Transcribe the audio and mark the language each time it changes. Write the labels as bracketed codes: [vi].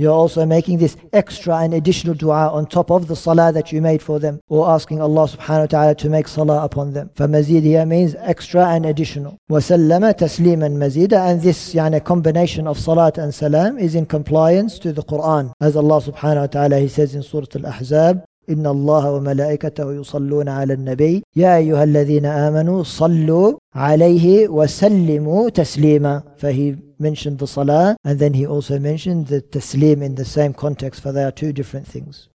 [en] You're also making this extra and additional dua on top of the salah that you made for them, or asking Allah subhanahu wa ta'ala to make salah upon them. فَمَزِيدِيَا means extra and additional. [ar] وَسَلَّمَ تَسْلِيمًا مَزِيدًا, [en] and this يعني, combination of salat and salam is in compliance to the Quran. Quran. As Allah subhanahu wa ta'ala, he says in Surah Al-Ahzab, [ar] إِنَّ اللَّهَ وَمَلَائِكَتَهُ يُصَلُّونَ عَلَى النَّبِيِّ يَا أَيُّهَا الَّذِينَ آمَنُوا صَلُّوا عَلَيْهِ وَسَلِّمُوا تَسْلِيمًا. [en] For he mentioned the salah, and then he also mentioned the taslim in the same context, for they are two different things.